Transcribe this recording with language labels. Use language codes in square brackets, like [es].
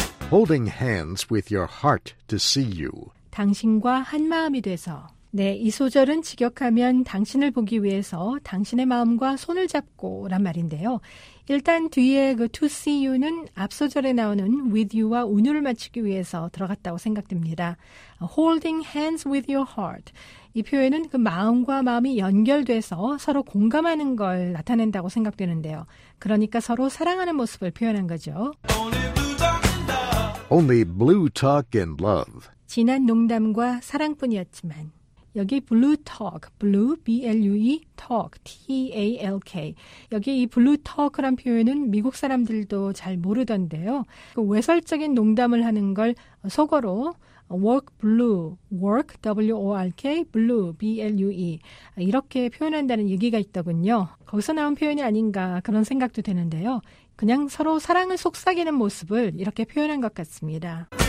[en] Holding hands with your heart to see you. [ko] 당신과 한 마음이 돼서. 네, 이 소절은 직역하면 당신을 보기 위해서 당신의 마음과 손을 잡고란 말인데요. 일단 뒤에 그 [en] to see you [ko] 는 앞 소절에 나오는 [en] with you [ko] 와 운율을 맞추기 위해서 들어갔다고 생각됩니다. [en] Holding hands with your heart. [ko] 이 표현은 그 마음과 마음이 연결돼서 서로 공감하는 걸 나타낸다고 생각되는데요. 그러니까 서로 사랑하는 모습을 표현한 거죠. [en] Only blue talk and love. [ko] 진한 농담과 사랑뿐이었지만 여기 [en] blue talk, blue, B-L-U-E, talk, T-A-L-K. [ko] 여기 이 [en] blue talk [ko] 란 표현은 미국 사람들도 잘 모르던데요. 그 외설적인 농담을 하는 걸 속어로 [en] work blue, work, W-O-R-K, blue, B-L-U-E [ko] 이렇게 표현한다는 얘기가 있더군요. 거기서 나온 표현이 아닌가 그런 생각도 되는데요. 그냥 서로 사랑을 속삭이는 모습을 이렇게 표현한 것 같습니다.